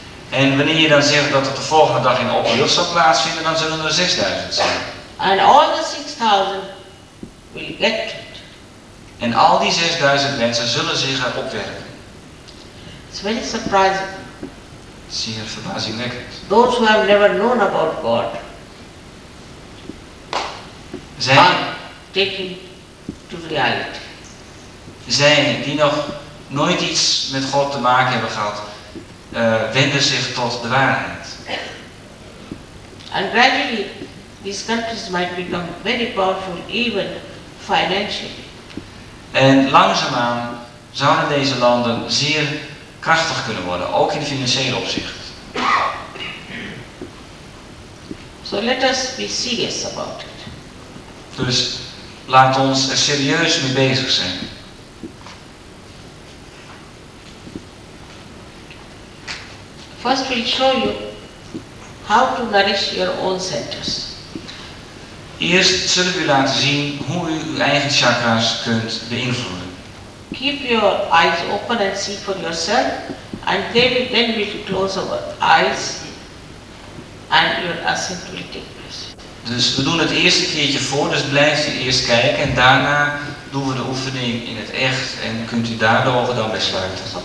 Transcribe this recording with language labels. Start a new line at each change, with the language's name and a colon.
Dutch: En wanneer je dan zegt dat het de volgende dag in de open lucht zal plaatsvinden, dan zullen er 6,000 zijn.
English: And all the 6,000 will get to it.
Dutch: En al die 6,000 mensen zullen zich erop werken.
English: It's very surprising.
Dutch: Zeer verbazingwekkend.
English: Those who have never known about God.
Dutch: Zij.
English: Taking to reality.
Dutch: Zij die nog nooit iets met God te maken hebben gehad, wenden zich tot de waarheid.
English: And gradually, these countries might become very powerful, even financially.
Dutch: En langzaamaan zouden deze landen zeer krachtig kunnen worden, ook in financiële opzicht.
English: So let us be serious about it.
Dutch: Dus laat ons er serieus mee bezig zijn.
English: First we'll show you how to nourish your own centers.
Dutch: Eerst zullen we laten zien hoe u uw eigen chakras kunt beïnvloeden.
English: Keep your eyes open and see for yourself, and then we will close our eyes and your ascent will take place.
Dutch: Dus we doen het eerst een keertje voor, dus blijft u eerst kijken en daarna doen we de oefening in het echt en kunt u daar de ogen dan bij sluiten.